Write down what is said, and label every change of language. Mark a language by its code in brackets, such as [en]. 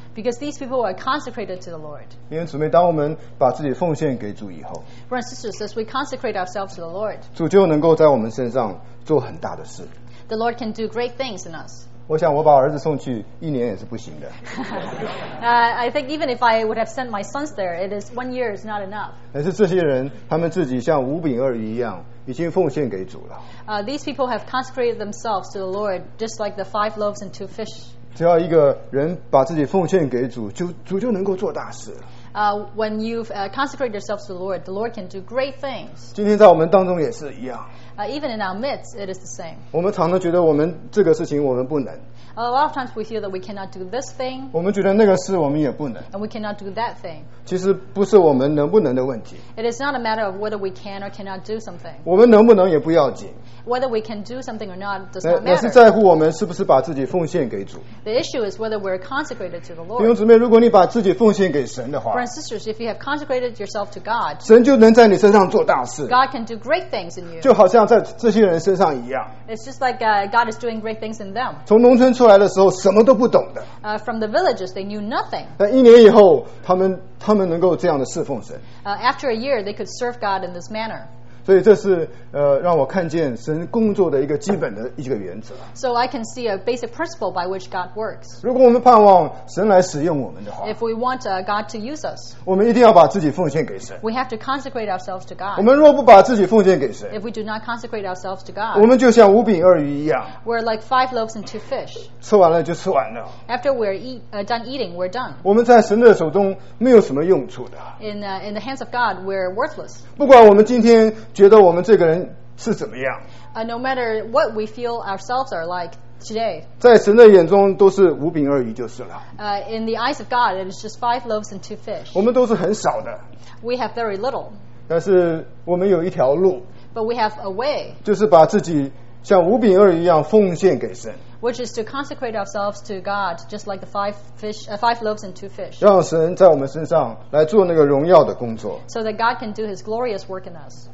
[en] Because these people are consecrated to the Lord. [zh] 因为姊妹，当我们把自己奉献给主以后 [en] ，Brothers and sisters, as we consecrate ourselves to the Lord, [zh] 主就能够在我们身上做很大的事。 [en] The Lord can do great things in us. [zh] 我想我把儿子送去一年也是不行的。 [en] I think even if I would have sent my sons there, it is 1 year is not enough. [zh] 但是这些人，他们自己像五饼二鱼一样。已经奉献给主了。 [en] These people have consecrated themselves to the Lord, just like the 5 loaves and 2 fish. [zh] 只要一个人把自己奉献给主，主就能够做大事。 [en] When you consecrate yourself to the Lord, the Lord can do great things. [zh] 今天在我们当中也是一样。 [en] Even in our midst, it is the same. [zh] 我们常常觉得我们这个事情我们不能。 [en] A lot of times we feel that we cannot do this thing. [zh] 我们觉得那个事我们也不能。 [en] And we cannot do that thing. [zh] 其实不是我们能不能的问题。 [en] It is not a matter of whether we can or cannot do something. [zh] 我们能不能也不要紧。 [en] Whether we can do something or not does not matter. [zh] 那是在乎我们是不是把自己奉献给主。 [en] The issue is whether we're consecrated to the Lord. [zh] 弟兄姊妹，如果你把自己奉献给神的话。 [en] Brothers and sisters, if you have consecrated yourself to God, [zh] 神就能在你身上做大事。 [en] God can do great things in you. [zh] 就好像在这些人身上一样。 [en] It's just like God is doing great things in them. [zh] 从农村出来的时候什么都不懂的。 [en] From the villages, they knew nothing. [zh] 但一年以后，他们能够这样的侍奉神。 [en] After a year, they could serve God in this manner. [zh] 所以这是让我看见神工作的一个基本的一个原则。 [en] So I can see a basic principle by which God works. [zh] 如果我们盼望神来使用我们的话 [en] ，If we want God to use us, [zh] 我们一定要把自己奉献给神。 [en] We have to consecrate ourselves to God. [zh] 我们若不把自己奉献给神 [en] ，If we do not consecrate ourselves to God, [zh] 我们就像五饼二鱼一样 [en] ，We're like 5 loaves and 2 fish. [zh] 吃完了就吃完了。 [en] After we're done eating, we're done. [zh] 我们在神的手中没有什么用处的。 [en] In the hands of God, we're worthless. [zh] 不管我们今天觉得我们这个人是怎么样 [en] ？No matter what we feel ourselves are like today， [zh] 在神的眼中都是五饼二鱼就是了。 [en] In the eyes of God, it is just 5 loaves and 2 fish。 [zh] 我们都是很少的。 [en] We have very little。 [zh] 但是我们有一条路。 [en] But we have a way。 [zh] 就是把自己像五饼二鱼一样奉献给神。 [en] Which is to consecrate ourselves to God, just like the five loaves and two fish. [zh] 让神在我们身上来做那个荣耀的工作。 [en] So that God can do His glorious work in us.